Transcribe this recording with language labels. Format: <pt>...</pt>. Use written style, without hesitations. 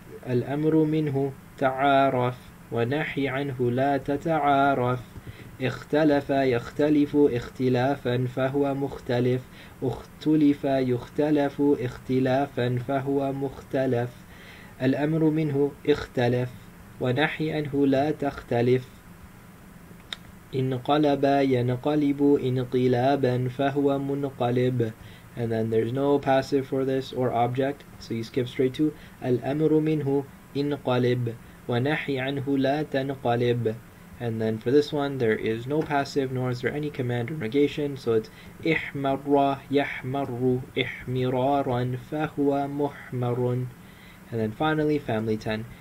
<ar>الأمر منه تعارف ونحي عنه لا تتعارف اختلف يختلف اختلافا فهو مختلف اختلف يختلف اختلافا فهو مختلف الأمر منه اختلف ونحي عنه لا تختلف انقلب ينقلب انقلابا فهو منقلب.</ar> <en>And then there's no passive for this or object, so you skip straight to</en> <ar>الأمر منه انقلب ونحي عنه لا تنقلب.</ar> <en>And then for this one, there is no passive nor is there any command or negation, so it's</en> <ar>احمر يحمر احمرارا فهو محمر.</ar> <en>And then finally, family 10,</en>